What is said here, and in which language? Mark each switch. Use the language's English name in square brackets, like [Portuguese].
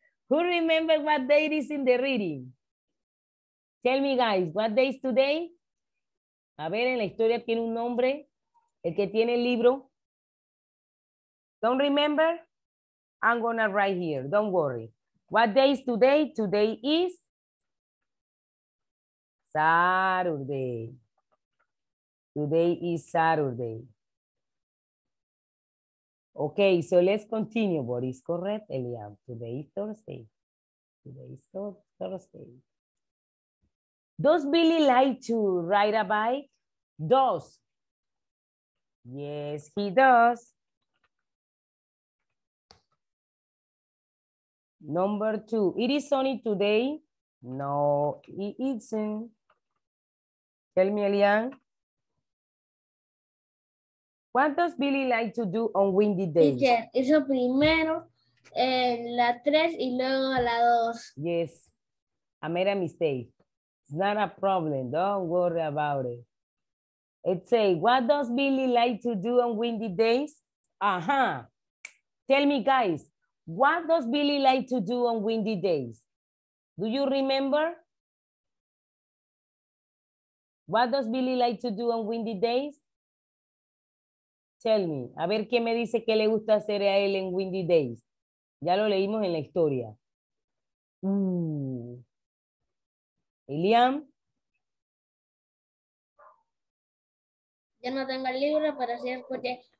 [English] Who remembers what day it is in the reading? Tell me, guys, what day is today? [Spanish] A ver, en la historia tiene un nombre, el que tiene el libro. [English] Don't remember? I'm gonna write here, don't worry. What day is today? Today is Saturday. Today is Saturday. Okay, so let's continue. What is correct, Eliam? Today is Thursday. Today is Thursday. Does Billy like to ride a bike? Does. Yes, he does. Number two, it is sunny today? No, it isn't. Tell me, Elian. What does Billy like to do on windy days? [Spanish] Teacher, eso primero, la tres y luego la dos. [English] Yes, I made a mistake. It's not a problem, don't worry about it. It say, what does Billy like to do on windy days? Uh-huh, tell me, guys. What does Billy like to do on windy days? Do you remember? What does Billy like to do on windy days? Tell me. [Spanish] A ver qué me dice que le gusta hacer a él en [English] windy days. [Spanish] Ya lo leímos en la historia. Eliam. Yo no tengo el libro, pero sí escuché.